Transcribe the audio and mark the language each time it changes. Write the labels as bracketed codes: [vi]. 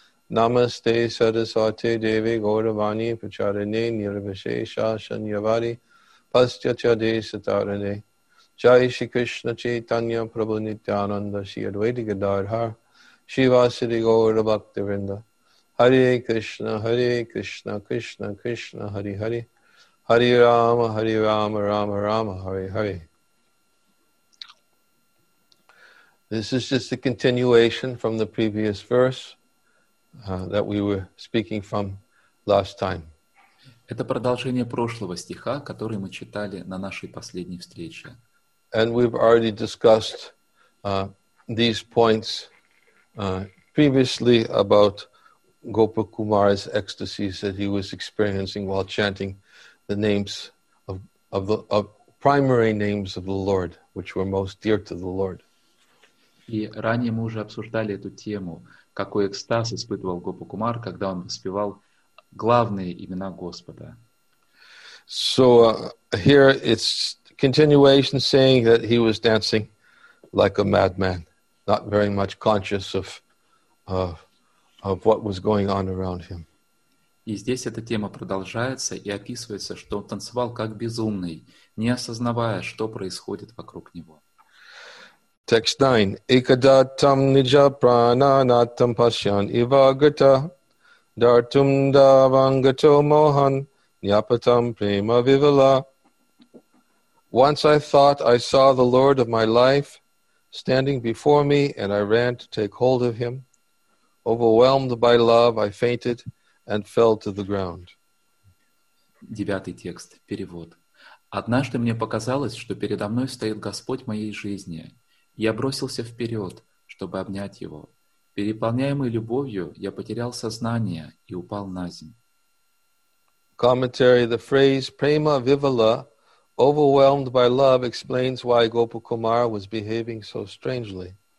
[sa] Намасте Сарасвате Деве Гауравани Пачарине Нирвишеша Шаньявари Пасчатяде Сатаране Джай Шри Кришна Чайтанья Прабху Нитьянанда Шри Адвайта Гададхар Шивасиди Гаура Бхактивинда Харе Кришна Харе Кришна Кришна Кришна Хари Хари Hari Rama, Hari Rama, Rama Rama, Hari Hari. [en] This is just a continuation from the previous verse that we were speaking from last time. [ru] Это продолжение прошлого стиха, который мы читали на нашей последней встрече. [en] And we've already discussed these points previously about Gopakumara's ecstasies that he was experiencing while chanting the names of primary names of the Lord, which were most dear to the Lord. [ru] И ранее мы уже обсуждали эту тему, какой экстаз испытывал Гопакумар, когда он воспевал главные имена Господа. [en] So here it's continuation saying that he was dancing like a madman, not very much conscious of what was going on around him. [ru] И здесь эта тема продолжается и описывается, что он танцевал как безумный, не осознавая, что происходит вокруг него. [sa] Текст 9. Икадаттам нижа прананаттам пасьян ивагата дартум давангато мохан ньяпатам према вивала. [en] Once I thought I saw the Lord of my life standing before me and I ran to take hold of him. Overwhelmed by love, I fainted and fell to the ground. [ru] Девятый текст. Перевод. «Однажды мне показалось, что передо мной стоит Господь моей жизни. Я бросился вперед, чтобы обнять Его. Переполняемый любовью, я потерял сознание и упал на землю». [en] Commentary. The phrase «prema vivala», overwhelmed by love, explains why Gopakumara was behaving so strangely.